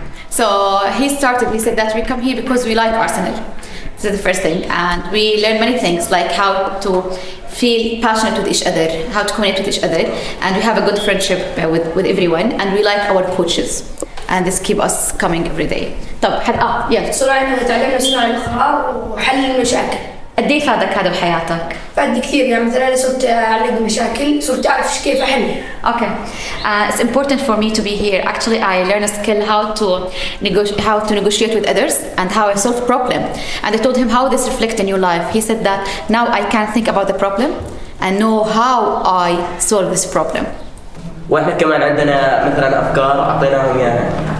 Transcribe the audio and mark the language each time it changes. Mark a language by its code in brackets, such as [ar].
[en] So he started, he said that we come here because we like Arsenal. This is the first thing. And we learned many things, like how to feel passionate with each other, how to communicate with each other. And we have a good friendship with everyone. And we like our coaches. And this keep us coming every day. [ar] طب حد يلا صرنا نتعلم صناعة الخطاب وحل المشاكل. قد ايه فادك هذا بحياتك؟ فادني كثير يعني مثلا انا صرت اعالج مشاكل صرت اعرف كيف احلها. [en] Okay. It's important for me to be here. Actually, I learned a skill how to negotiate with others and how I solve problem. And I told him how this reflect in your life. He said that now I can think about the problem and know how I solve this problem. [ar] واحنا كمان عندنا مثلا افكار اعطيناهم اياها.